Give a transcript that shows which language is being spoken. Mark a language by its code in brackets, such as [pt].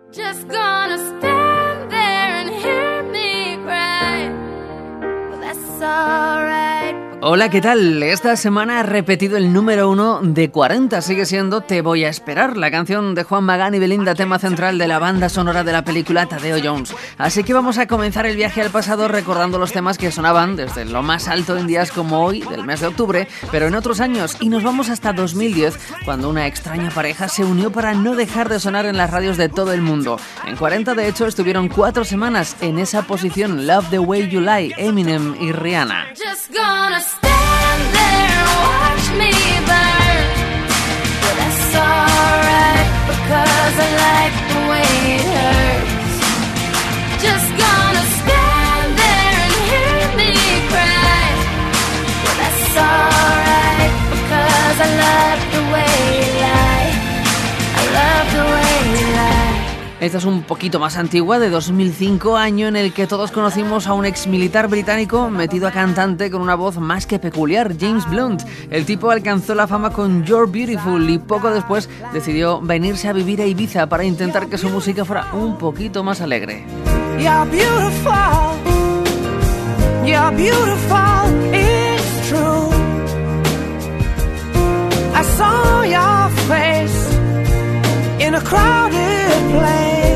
[en] Just gonna stand there and hear me cry. Well, that's alright. [es] Hola, ¿qué tal? Esta semana ha repetido el número uno de 40. Sigue siendo Te voy a esperar, la canción de Juan Magán y Belinda, tema central de la banda sonora de la película Tadeo Jones. Así que vamos a comenzar el viaje al pasado recordando los temas que sonaban desde lo más alto en días como hoy, del mes de octubre, pero en otros años. Y nos vamos hasta 2010, cuando una extraña pareja se unió para no dejar de sonar en las radios de todo el mundo. En 40, de hecho, estuvieron 4 semanas en esa posición: Love the Way You Lie, Eminem y Rihanna. [en] Just gonna stand there, watch me burn. But that's alright, because I like the way it hurts. Just gonna stand there and hear me cry. But that's alright, because I love the way you lie. I love the way you lie. [es] Esta es un poquito más antigua, de 2005, año en el que todos conocimos a un ex militar británico metido a cantante con una voz más que peculiar, James Blunt. El tipo alcanzó la fama con You're Beautiful y poco después decidió venirse a vivir a Ibiza para intentar que su música fuera un poquito más alegre. [en] You're beautiful, you're beautiful, it's true. I saw your face in a crowded place.